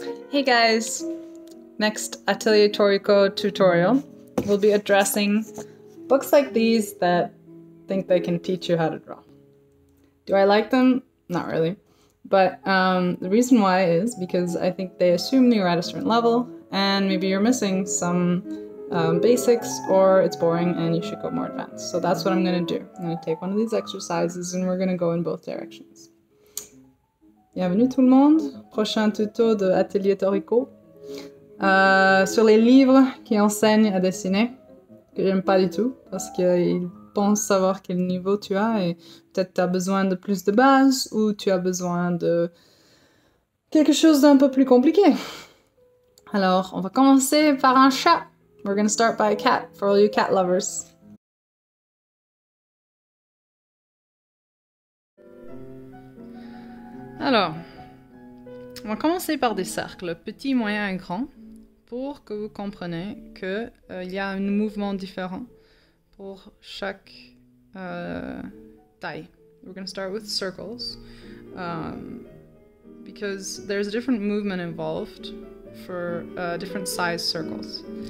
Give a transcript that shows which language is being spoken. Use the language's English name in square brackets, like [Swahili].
[English] Hey guys, next Atelier Toriko tutorial, we'll be addressing books like these that think they can teach you how to draw. Do I like them? Not really. But the reason why is because I think they assume you're at a certain level and maybe you're missing some basics, or it's boring and you should go more advanced. So that's what I'm gonna do. I'm gonna take one of these exercises and we're gonna go in both directions. [French] Bienvenue tout le monde, prochain tuto de Atelier Toriko sur les livres qui enseignent à dessiner, que j'aime pas du tout parce qu'ils pensent savoir quel niveau tu as et peut-être tu as besoin de plus de base ou tu as besoin de quelque chose d'un peu plus compliqué. Alors, on va commencer par un chat. [English] We're gonna start by a cat for all you cat lovers. [French] Alors, on va commencer par des cercles, petits, moyens et grands, pour que vous compreniez qu'il y a un mouvement différent pour chaque taille. [English] We're going to start with circles, because there's a different movement involved for different size circles.